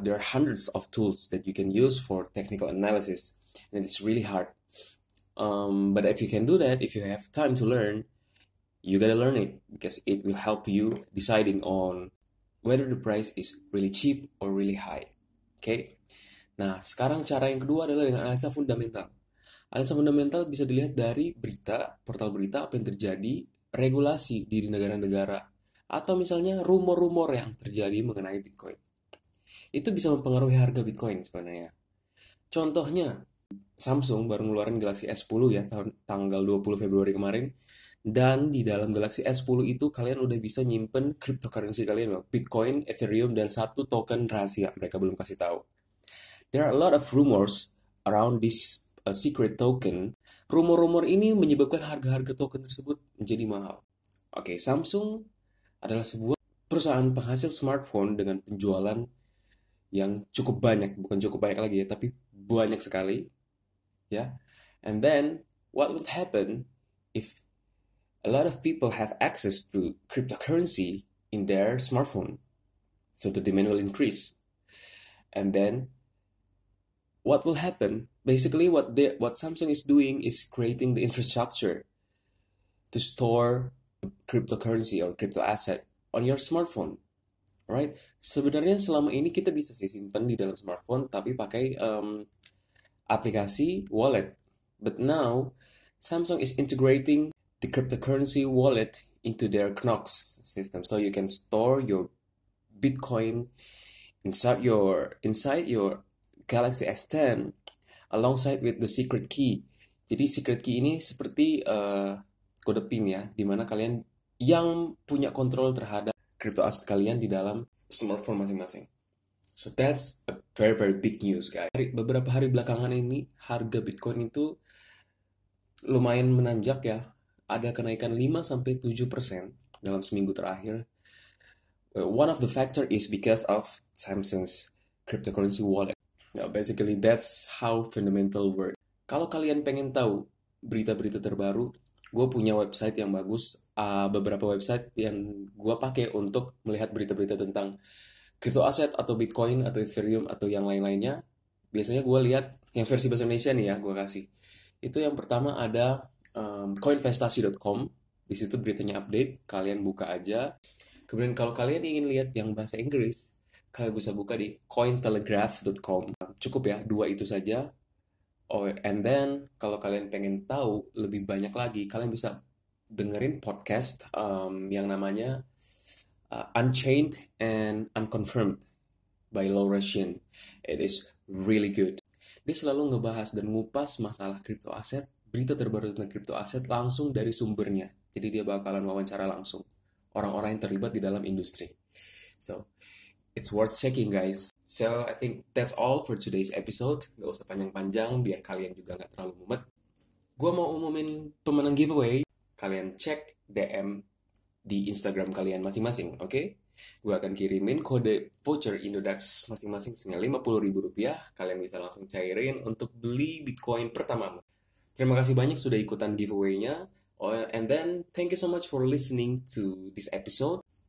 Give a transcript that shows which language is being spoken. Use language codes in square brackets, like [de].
[en] There are hundreds of tools that you can use for technical analysis, and it's really hard. But if you can do that, if you have time to learn, you gotta learn it because it will help you deciding on whether the price is really cheap or really high. Okay? [id] Nah, sekarang cara yang kedua adalah dengan analisa fundamental. Analisa fundamental bisa dilihat dari berita, portal berita, apa yang terjadi, regulasi di negara-negara, atau misalnya rumor-rumor yang terjadi mengenai Bitcoin. Itu bisa mempengaruhi harga Bitcoin sebenarnya. Contohnya, Samsung baru ngeluarin Galaxy S10 ya, tanggal 20 Februari kemarin. Dan di dalam Galaxy S10 itu kalian udah bisa nyimpen cryptocurrency kalian, Bitcoin, Ethereum, dan satu token rahasia mereka belum kasih tahu. [en] There are a lot of rumors around this secret token. [id] Rumor-rumor ini menyebabkan harga-harga token tersebut menjadi mahal. Oke, Samsung adalah sebuah perusahaan penghasil smartphone dengan penjualan yang cukup banyak, bukan cukup banyak lagi ya, tapi banyak sekali, ya. [en] Yeah. And then what would happen if a lot of people have access to cryptocurrency in their smartphone, so the demand will increase. And then, what will happen? Basically, what Samsung is doing is creating the infrastructure to store cryptocurrency or crypto asset on your smartphone, right? [id] Sebenarnya selama ini kita bisa sih simpan di dalam smartphone, tapi pakai aplikasi wallet. [en] But now, Samsung is integrating the cryptocurrency wallet into their Knox system, so you can store your Bitcoin inside your Galaxy S10 alongside with the secret key. [id] Jadi secret key ini seperti kode PIN ya, di mana kalian yang punya kontrol terhadap crypto aset kalian di dalam smartphone masing-masing. [en] So that's a very very big news, guys. [id] Beberapa hari belakangan ini harga Bitcoin itu lumayan menanjak ya. Ada kenaikan 5-7% dalam seminggu terakhir. [en] One of the factor is because of Samsung's cryptocurrency wallet. Now, basically, that's how fundamental work. [id] Kalau kalian pengen tahu berita-berita terbaru, gue punya website yang bagus, beberapa website yang gue pakai untuk melihat berita-berita tentang crypto aset atau Bitcoin atau Ethereum atau yang lain-lainnya. Biasanya gue lihat yang versi bahasa Indonesia nih ya, gue kasih. Itu yang pertama ada coinvestasi.com. Di situ beritanya update, kalian buka aja. Kemudian kalau kalian ingin lihat yang bahasa Inggris, kalian bisa buka di cointelegraph.com. Cukup ya, dua itu saja. [en] Oh, and then [id] kalau kalian pengen tahu lebih banyak lagi, kalian bisa dengerin podcast yang namanya Unchained and Unconfirmed by Law Russian. [en] It is really good. [id] Dia selalu ngebahas dan ngupas masalah crypto aset, berita terbaru tentang crypto aset langsung dari sumbernya. Jadi dia bakalan wawancara langsung orang-orang yang terlibat di dalam industri. [en] So, it's worth checking, guys. So, I think that's all for today's episode. [id] Gak usah panjang-panjang, biar kalian juga gak terlalu mumet. Gua mau umumin pemenang giveaway. Kalian cek DM di Instagram kalian masing-masing, oke? Okay? Gua akan kirimin kode voucher Indodax masing-masing senilai Rp50.000. Kalian bisa langsung cairin untuk beli Bitcoin pertamamu. Terima kasih banyak sudah ikutan giveaway-nya. [en] And then, thank you so much for listening to this episode.